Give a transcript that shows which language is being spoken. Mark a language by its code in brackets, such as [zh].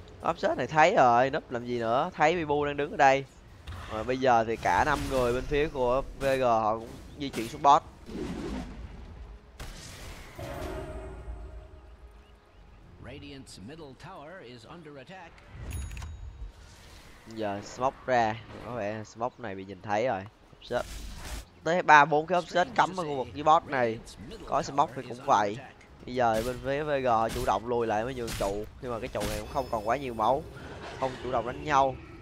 [vi] Upset này thấy rồi, núp làm gì nữa, thấy Bibu đang đứng ở đây. Rồi bây giờ thì cả 5 người bên phía của VG họ cũng di chuyển xuống bot. [en] Radiant's middle tower is under attack. [vi] Giờ smoke ra, có vẻ smoke này bị nhìn thấy rồi. Upset tới 3-4 cái upset cắm ở khu vực dưới bot này. Có smoke thì cũng vậy. Bây giờ bên phía VG chủ động lùi lại mới nhường trụ, nhưng mà cái trụ này cũng không còn quá nhiều máu, không chủ động đánh nhau.